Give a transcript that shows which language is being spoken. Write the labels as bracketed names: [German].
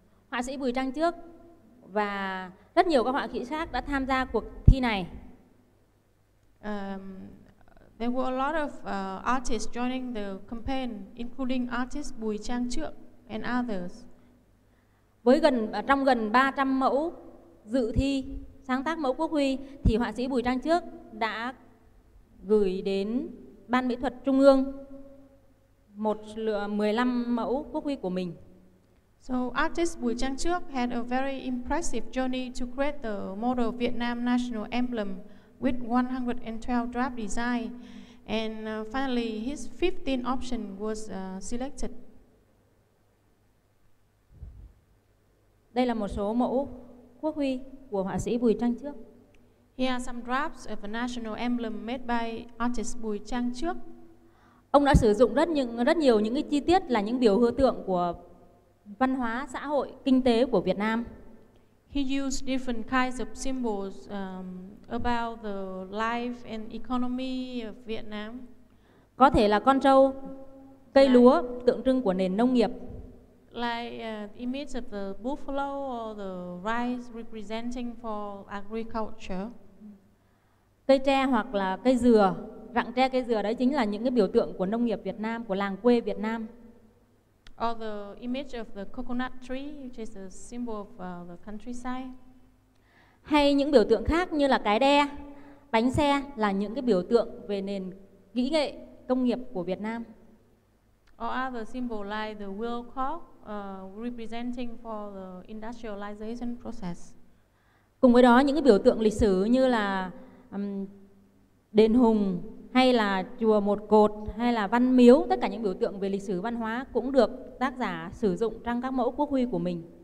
[Vietnamese] Họa sĩ Bùi Trang Trước và rất nhiều các họa sĩ khác đã tham gia cuộc thi này. [English] There were a lot of artists joining the campaign, including artist Bùi Trang Trượng and others. [Vietnamese] Với gần trong gần 300 mẫu dự thi sáng tác mẫu quốc huy thì họa sĩ Bùi Trang Trước đã gửi đến Ban Mỹ thuật Trung ương 15 mẫu quốc huy của mình. [English] So artist Bùi Trang Trước had a very impressive journey to create the model Vietnam national emblem with 112 draft design, and finally his 15 option was selected. [Vietnamese] Đây là một số mẫu quốc huy của họa sĩ Bùi Trang Trước. [English] Here are some drafts of a national emblem made by artist Bùi Trang Trước. [Vietnamese] Ông đã sử dụng rất nhiều những cái chi tiết là những biểu tượng của văn hóa, xã hội, kinh tế của Việt Nam. [English] He used different kinds of symbols about the life and economy of Vietnam. [Vietnamese] Có thể là con trâu, cây lúa, tượng trưng của nền nông nghiệp. [English] Like image of the buffalo or the rice representing for agriculture. [Vietnamese] Cây tre hoặc là cây dừa, rặng tre cây dừa đấy chính là những cái biểu tượng của nông nghiệp Việt Nam, của làng quê Việt Nam. [English] Or the image of the coconut tree, which is a symbol of the countryside. [Vietnamese] Hay những biểu tượng khác như là cái đe, bánh xe là những cái biểu tượng về nền kỹ nghệ công nghiệp của Việt Nam. [English] Or other symbol like the wheel clock, representing for the industrialization process. [Vietnamese] Cùng với đó những cái biểu tượng lịch sử như là đền Hùng hay là chùa Một Cột hay là văn miếu, tất cả những biểu tượng về lịch sử văn hóa cũng được tác giả sử dụng trong các mẫu quốc huy của mình.